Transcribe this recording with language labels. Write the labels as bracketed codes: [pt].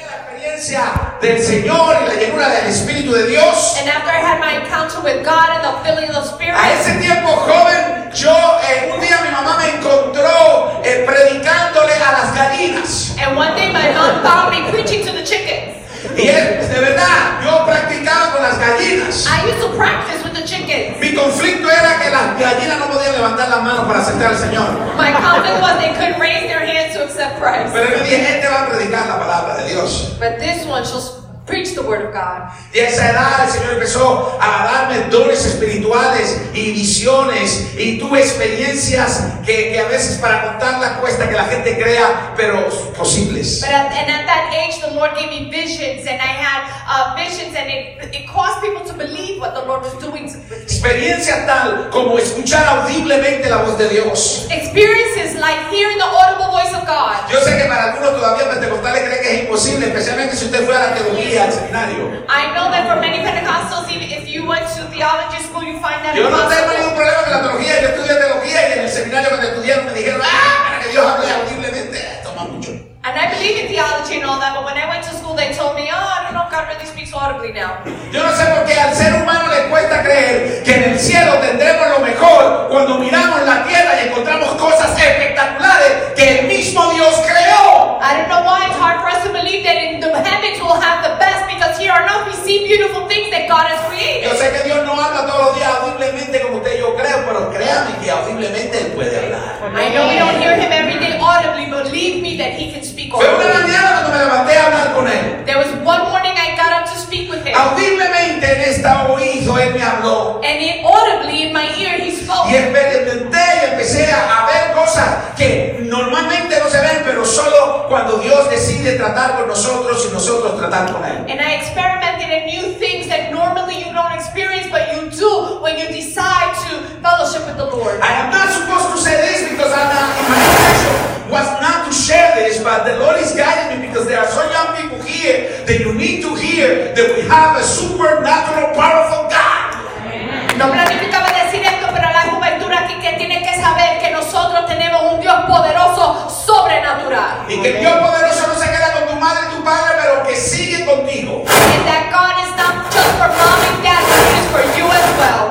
[es] presencia del Señor y la llenura del Espíritu de Dios. [en] And after I had my encounter with God and the filling of the Spirit. [es] A ese tiempo joven, yo un día mi mamá me encontró predicándole a las gallinas. [en] And one day my mom found me preaching to the chickens. [es] Y es de verdad, yo practicaba con las gallinas. [en] I used to practice with the chickens. [es] Mi conflicto era que las gallinas no podían levantar las manos para aceptar al Señor. [en] My conflict was they couldn't raise their hands to accept Christ. [es] Pero le dije, este va a predicar la palabra de Dios. [en] But this one shall preach the word of God. [es] Y a esa edad el Señor empezó a darme dones espirituales y visiones y tuve experiencias que a veces para contarlas cuesta que la gente crea, pero posibles. [en] And at that age the Lord gave me visions and I had visions and it caused people to believe what the Lord was doing. [es] Experiencia tal como escuchar audiblemente la voz de Dios. [en] Experiences like hearing the audible voice of God. [es] Yo sé que para algunos todavía pentecostales creen que es imposible, especialmente si usted fue a la teología. [en] I know that for many Pentecostals, even if you went to theology school, you find that [es] impossible. Yo no tengo ningún problema con la teología, yo estudié teología y en el seminario cuando estudié me dijeron, para que Dios hable audiblemente, toma mucho. [en] And I believe in theology and all that, but when I went to school, they told me, I don't know if God really speaks audibly now. [es] Yo no sé por qué al ser humano le cuesta creer que en el cielo tendremos lo mejor cuando miramos la tierra y encontramos cosas espectaculares que el mismo Dios creó. [en] I don't know why it's hard for us to believe that in the heavens we'll have the best because here on earth we see beautiful things that God has created. [es] Yo sé que Dios no habla todos los días audiblemente como usted y yo creo, pero créame que audiblemente Él puede hablar. [en] I know we don't hear Him every day audibly, but believe me that He can speak audibly. [es] Fue una mañana cuando me levanté a hablar con Él. [en] There was one morning I got up to speak with Him. [es] Audiblemente en esta oído Él me habló. [en] And audibly in my ear He spoke. [es] Y experimenté y empecé a ver cosas que normalmente no se ven, pero solo cuando Dios decide tratar con nosotros y nosotros tratar con Él. [en] And I experimented in new things that normally you don't experience, but you do when you decide to fellowship with the Lord. I am not supposed to say this because I'm not in my intention was not to share this, but the Lord is guiding me because there are so young people here that you need to hear that we have a supernatural, powerful God. [es] No planificaba decir esto, pero la juventud aquí que tiene que saber que nosotros tenemos un Dios poderoso, sobrenatural. Y que el Dios poderoso no se queda con tu madre y tu padre, pero que sigue contigo. [en] And that God is not just for mom and dad, but it is for you as well.